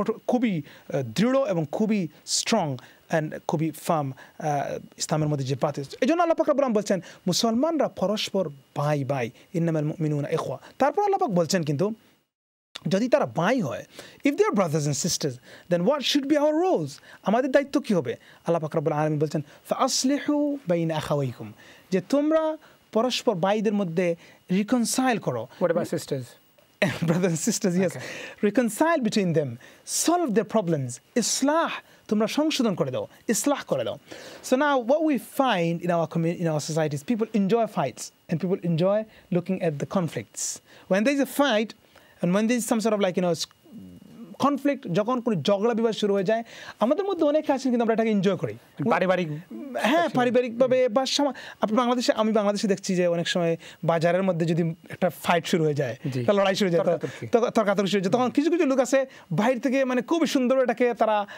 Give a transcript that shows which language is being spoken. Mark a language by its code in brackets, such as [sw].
[bn] খুবই দৃঢ় এবং খুবই স্ট্রং অ্যান্ড খুবই ফার্ম ইসলামের মধ্যে যে পাতে এই জন্য আল্লাহ পাক রাব্বুল বলছেন মুসলমানরা পরস্পর ভাই ভাই [ar] ইন্নামাল মুমিনুনা ইখওয়া [bn] তারপর আল্লাহ পাক বলছেন কিন্তু যদি তারা ভাই হয় [en] if they are brothers and sisters then what should be our roles [bn] আমাদের দায়িত্ব কী হবে আল্লাহ পাক রাব্বুল আলামিন বলছেন [ar] ফা আসলিহু বাইন আখাওয়াইকুম [bn] যে তোমরা পরস্পর ভাইদের মধ্যে রিকনসাইল করো [en] What about sisters Brothers and sisters, yes. Okay. Reconcile between them. Solve their problems. Islah. [bn] Tumra shongshudan kore dao. Islah kore dao. [en] So now what we find in our community, in our societies, people enjoy fights and people enjoy looking at the conflicts. When there's a fight and when there's some sort of like, you know, [bn] conflict যখন কোনো ঝগড়া বিবাদ শুরু হয়ে যায় আমাদের মধ্যে অনেক আছেন কিন্তু আমরা এটাকে এনজয় করি পারিবারিক হ্যাঁ পারিবারিকভাবে বা আপনি বাংলাদেশে আমি বাংলাদেশে দেখছি যে অনেক সময় বাজারের মধ্যে যদি একটা ফাইট শুরু হয়ে যায় লড়াই শুরু হয়ে যায় তর্কাতর্ক শুরু হয়ে যায় তখন কিছু কিছু লোক আছে বাইর থেকে মানে খুব সুন্দর এটাকে তারা